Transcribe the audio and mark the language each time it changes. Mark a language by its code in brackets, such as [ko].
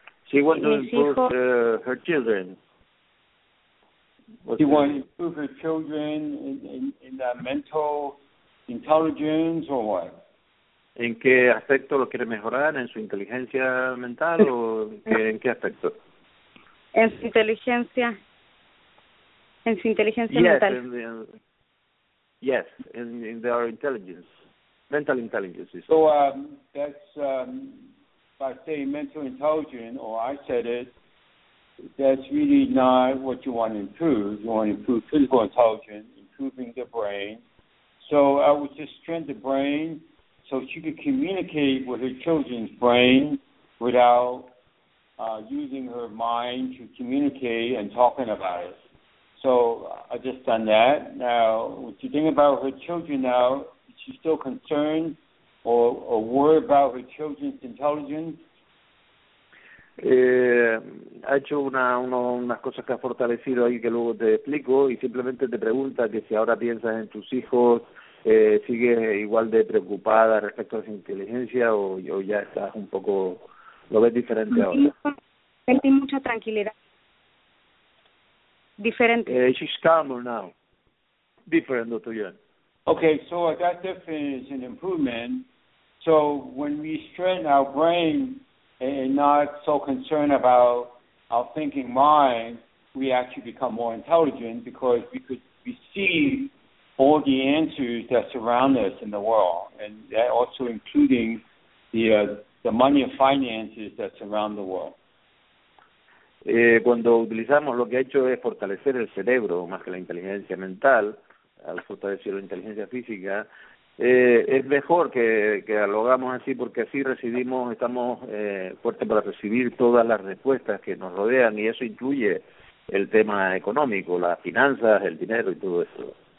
[en] She wants to improve her children. She wants to improve her children in the mental intelligence or what? [es] ¿En qué aspecto lo quiere mejorar? ¿En su inteligencia mental o en qué aspecto? En su inteligencia. En su inteligencia [en] yes, [es] mental. [en] In their intelligence. Mental intelligence. So that's, by saying mental intelligence, or I said it, that's really not what you want to improve. You want to improve physical intelligence, improving the brain. So I would just strengthen the brain so she could communicate with her children's brain without using her mind to communicate and talking about it. So I just done that. Now, what you think about her children now, is she still concerned or worried about her children's intelligence? [es] Ha hecho una cosa que ha fortalecido ahí que luego te explico y simplemente te pregunta que si ahora piensas en tus hijos, sigues igual de preocupada respecto a su inteligencia o ya estás un poco, lo ves diferente ahora. Sentí mucha tranquilidad. Diferente. [en] She's calmer now. Different, Dr. Yuan. Okay, so that difference is an improvement. So when we strengthen our brain and not so concerned about our thinking mind, we actually become more intelligent because we could receive all the answers that surround us in the world, and that also including the money and finances that surround the world. [es] Cuando utilizamos, lo que ha hecho es fortalecer el cerebro más que la inteligencia mental, al fortalecer la inteligencia física. Es mejor que lo hagamos así porque así recibimos, estamos fuertes para recibir todas las respuestas que nos rodean y eso incluye el tema económico, las finanzas, el dinero y todo eso.